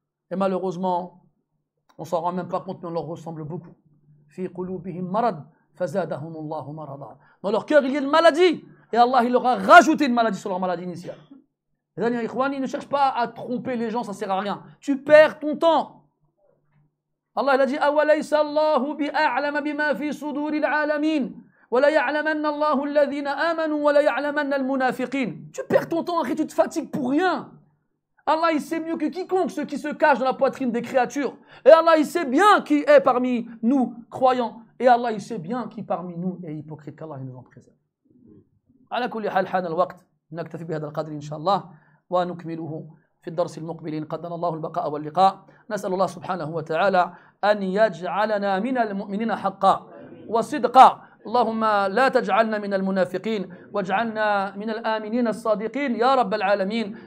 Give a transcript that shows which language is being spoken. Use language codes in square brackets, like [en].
[fr] Et malheureusement, on ne s'en rend même pas compte, mais on leur ressemble beaucoup. [ar] Fi qulubihim marad, fazadahum Allahu marada. [fr] Dans leur cœur, il y a une maladie. Et Allah, il leur a rajouté une maladie sur leur maladie initiale. Les amis, ikhwani, ne cherche pas à tromper les gens, ça ne sert à rien. Tu perds ton temps. [ar] الله الذي أوليس الله بأعلم بما في صدور العالمين ولا يعلمن الله الذين آمنوا ولا يعلمن المنافقين. [fr] Tu perds ton temps et tu te fatigues pour rien. Allah il sait mieux que quiconque ce qui se cache dans la poitrine des créatures. Et Allah il sait bien qui est parmi nous croyants. Et Allah il sait bien qui parmi nous est hypocrite. Qu'Allah nous en préserve. [ar] على كل حال حان الوقت نكتفي بهذا القدر إن شاء الله ونكمله في الدرس المقبل إن قدر الله البقاء واللقاء. نسأل الله سبحانه وتعالى أن يجعلنا من المؤمنين حقا وصدقا. اللهم لا تجعلنا من المنافقين واجعلنا من الآمنين الصادقين يا رب العالمين.